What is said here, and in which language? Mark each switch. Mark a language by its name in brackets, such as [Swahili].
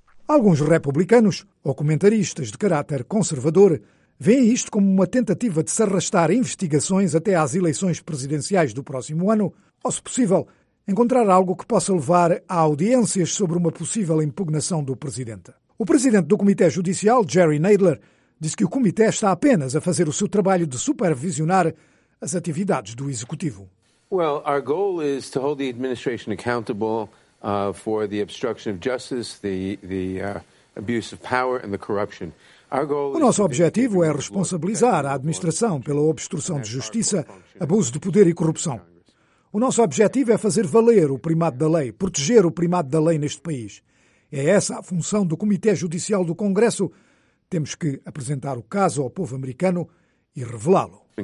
[Portuguese] Alguns republicanos, ou comentaristas de caráter conservador, veem isto como uma tentativa de se arrastar investigações até às eleições presidenciais do próximo ano, ou, se possível, encontrar algo que possa levar a audiências sobre uma possível impugnação do presidente. O presidente do Comitê Judicial, Jerry Nadler, disse que o comitê está apenas a fazer o seu trabalho de supervisionar as atividades do executivo. [English] Well, our goal is to hold the administration accountable for the obstruction of justice, the abuse of power and the corruption. [Portuguese] O nosso objetivo é responsabilizar a administração pela obstrução de justiça, abuso de poder e corrupção. O nosso objetivo é fazer valer o primado da lei, proteger o primado da lei neste país. É essa a função do Comitê Judicial do Congresso. Temos que apresentar o caso ao povo americano e revelá-lo.